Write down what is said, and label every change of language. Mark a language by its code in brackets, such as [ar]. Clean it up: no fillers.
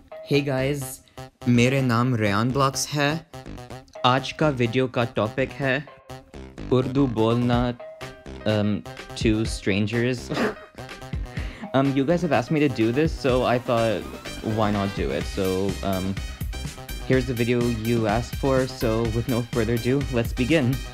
[en] Hey guys, [ur] میرے نام Rayan Blocks ہے۔ آج کا ویڈیو کا ٹاپک ہے اردو بولنا [en] to strangers. you guys have asked me to do this, so I thought why not do it. So here's the video you asked for. So with no further ado, let's begin.